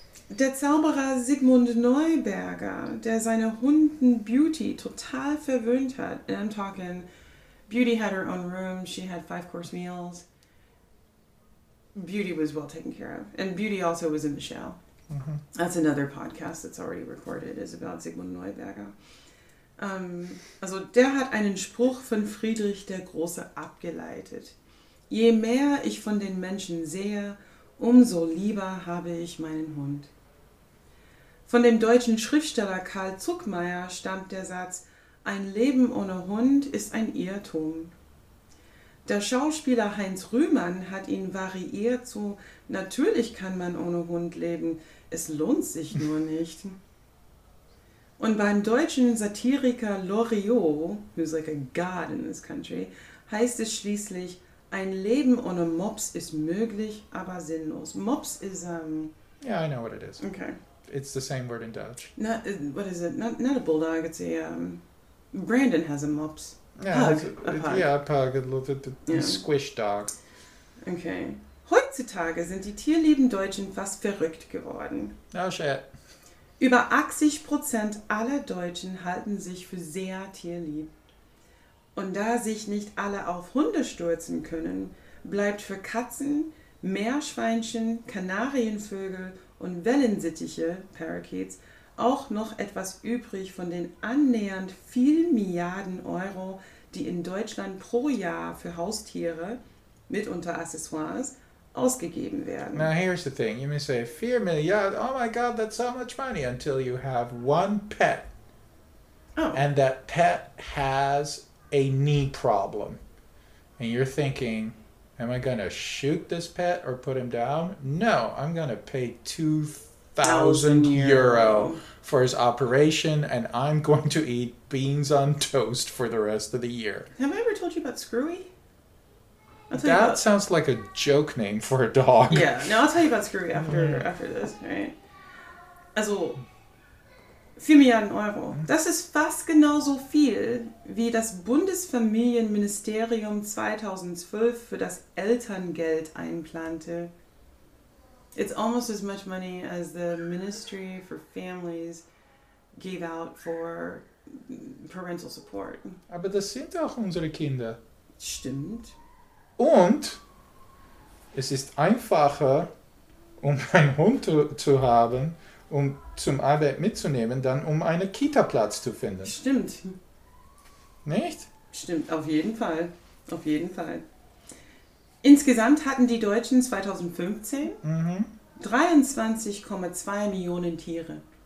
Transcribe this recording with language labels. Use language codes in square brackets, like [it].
[de] Der Zauberer Sigmund Neuberger, der seine Hunden Beauty total verwöhnt hat. [en] And I'm talking, Beauty had her own room, she had 5-course meals. Beauty was well taken care of. And Beauty also was in the show. Mm-hmm. That's another podcast that's already recorded, is about Sigmund Neuberger. [de] Also der hat einen Spruch von Friedrich der Große abgeleitet. Je mehr ich von den Menschen sehe, umso lieber habe ich meinen Hund. Von dem deutschen Schriftsteller Karl Zuckmayer stammt der Satz, ein Leben ohne Hund ist ein Irrtum. Der Schauspieler Heinz Rühmann hat ihn variiert zu, natürlich kann man ohne Hund leben, es lohnt sich nur nicht. Und beim deutschen Satiriker Loriot, [en] who's like a god in this country, [de] heißt es schließlich, ein Leben ohne Mops ist möglich, aber sinnlos. [en] Mops is Yeah, I know what it is. Okay. It's the same word in Dutch. Not a bulldog, it's a Brandon has a mops. Yeah, pug. A pug, a squish dog. Okay. [de] Heutzutage sind die tierlieben Deutschen fast verrückt geworden. [en] Oh shit. [de] Über 80% aller Deutschen halten sich für sehr tierlieb. Und da sich nicht alle auf Hunde stürzen können, bleibt für Katzen, Meerschweinchen, Kanarienvögel und Wellensittiche, Parakeets, auch noch etwas übrig von den annähernd vielen Milliarden Euro, die in Deutschland pro Jahr für Haustiere, mitunter Accessoires, ausgegeben werden. [en] Now here's the thing, you may say 4 Milliarden, oh my god, that's so much money, until you have one pet. Oh. And that pet has a knee problem. And you're thinking, am I going to shoot this pet or put him down? No, I'm going to pay 2,000 euro for his operation and I'm going to eat beans on toast for the rest of the year. Have I ever told you about Screwy? That sounds like a joke name for a dog. Yeah, no, I'll tell you about Screwy after this, right? [de] Also, 4 Milliarden Euro. Das ist fast genauso viel, wie das Bundesfamilienministerium 2012 für das Elterngeld einplante. [en] It's almost as much money as the Ministry for Families gave out for parental support. [de] Aber das sind auch unsere Kinder. Stimmt. Und es ist einfacher, um einen Hund zu haben, um zum Arbeit mitzunehmen, dann um einen Kita-Platz zu finden. Stimmt. Nicht? Stimmt, auf jeden Fall. Auf jeden Fall. Insgesamt hatten die Deutschen 2015 23,2 Millionen Tiere.